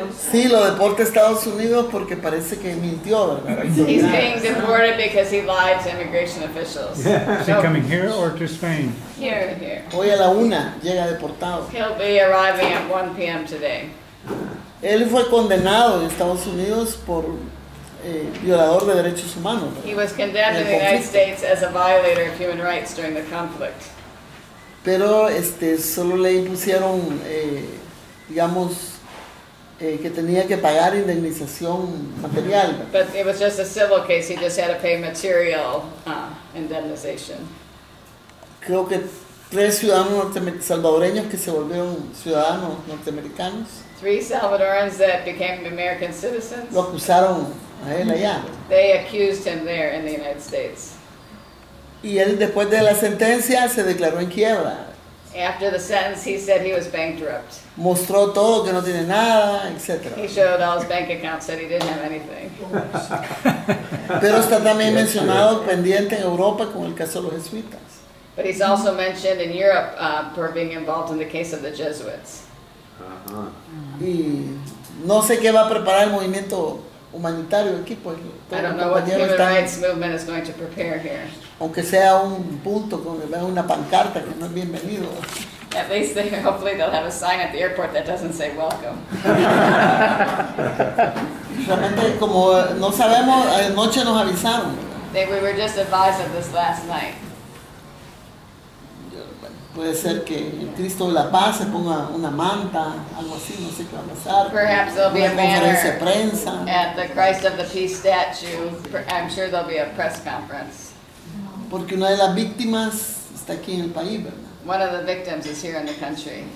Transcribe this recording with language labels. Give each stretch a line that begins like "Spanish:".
Spanish: Sí, lo deporta a Estados Unidos porque parece que mintió, ¿verdad?
English: He's being deported because he lied to immigration officials. Yeah. Is he coming here or to Spain? Here.
Spanish: Hoy a la una llega deportado.
English: He'll be arriving at 1 p.m. today.
Spanish: Él fue condenado en Estados Unidos por... violador de derechos humanos.
English: He was condemned in the United States as a violator of human rights during the conflict.
Spanish: Pero solo le impusieron que tenía que pagar indemnización material.
English: But it was just a civil case, he just had to pay material indemnization.
Spanish: Creo que tres ciudadanos salvadoreños que se volvieron ciudadanos norteamericanos.
English: Three Salvadorans that became American citizens.
Spanish: Lo acusaron.
English: They accused him there in the United States.
Spanish: Y él, después de la sentencia, se declaró en quiebra.
English: After the sentence, he said he was bankrupt.
Spanish: Mostró todo, que no tiene nada, etc.
English: He showed all his bank accounts, said he didn't have anything.
Spanish: Pero está también mencionado pendiente en Europa con el caso de los jesuitas.
English: But he's also mentioned in Europe for being involved in the case of the Jesuits.
Spanish: Y no sé qué va a preparar el movimiento humanitario aquí, pues,
English: I don't know what the human
Spanish: están,
English: rights movement is going to prepare here.
Spanish: Aunque sea un punto, una pancarta que no es bienvenido.
English: At least they, hopefully they'll have a sign at the airport that doesn't say welcome.
Spanish: Realmente, como no sabemos, anoche nos avisaron.
English: They, we were just advised of this last night.
Spanish: Puede ser que el Cristo de la Paz se ponga una manta, algo así, no sé qué va a pasar.
English: Perhaps there'll be
Spanish: una conferencia de prensa.
English: At the Christ of the Peace statue, I'm sure there'll be a press conference.
Spanish: Porque una de las víctimas está aquí en el país, ¿verdad?
English: One of the victims is here in the country.